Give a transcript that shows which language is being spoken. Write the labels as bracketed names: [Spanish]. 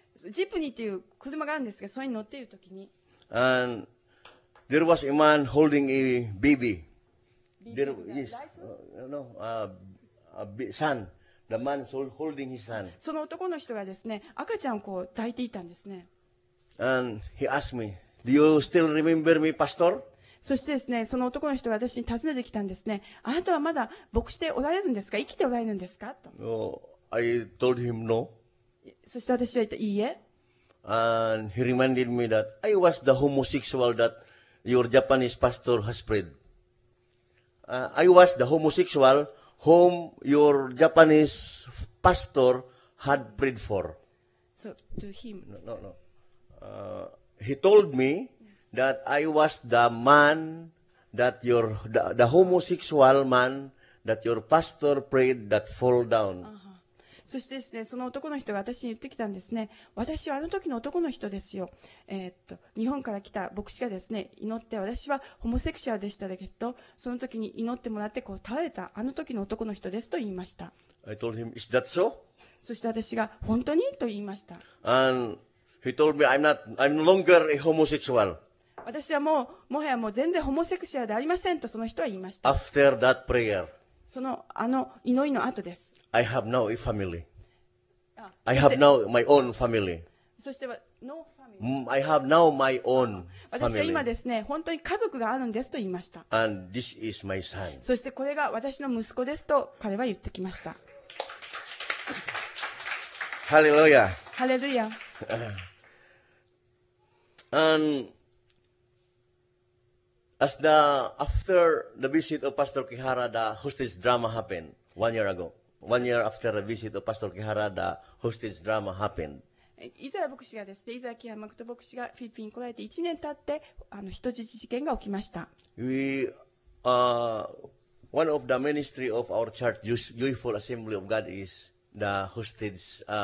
[Japanese] Jeepney っていう車があるんですが、それに乗っている時に。 [English] And there was a man holding a baby. There is, no, a son. The man holding his son. [Japanese] その男の人がですね、赤ちゃんをこう抱いていたんですね。 [English] And he asked me, "Do you still remember me, Pastor?" [Japanese] そしてですね、その男の人が私に尋ねてきたんですね。あなたはまだ牧師でおられるんですか、生きておられるんですかと。 [English] I told him no. [Japanese] そして私は言った、いいえ。 [English] And he reminded me that I was the homosexual that your Japanese pastor has spread. I was the homosexual whom your Japanese pastor had prayed for. So to him. No. He told me that I was the man that your the homosexual man that your pastor prayed that fall down. [Japanese] そしてですね、その男の人が私に言ってきたんですね。私はあの時の男の人ですよ。日本から来た牧師がですね、祈って私はホモセクシャルでしたけど、その時に祈ってもらってこう倒れたあの時の男の人ですと言いました。 [English] I told him, "Is that so?" [Japanese] そして私が本当にと言いました。 [English] And,He told me I'm no longer a homosexual. [Japanese] 私はもうもはやもう全然ホモセクシャルでありませんとその人は言いました。 [English] After that prayer, [Japanese] そのあの祈りの後です。 [English] I have now a family. I have now my own family. [Japanese] そしては [English] no family. I have now my own family. [Japanese] 私は今ですね、本当に家族があるんですと言いました。 [English] And this is my son. [Japanese] そしてこれが私の息子ですと彼は言ってきました。 [English] Hallelujah. Hallelujah. And as the after the visit of Pastor Kihara, the hostage drama happened one year ago. One year after the visit of Pastor Kihara, the hostage drama happened. [Japanese] イザヤ牧師がですね、イザヤ・キハマクト牧師がフィリピンに来られて1年経って、あの人質事件が起きました。 [English] We one of the ministry of our church, Joyful Assembly of God, is the hostage.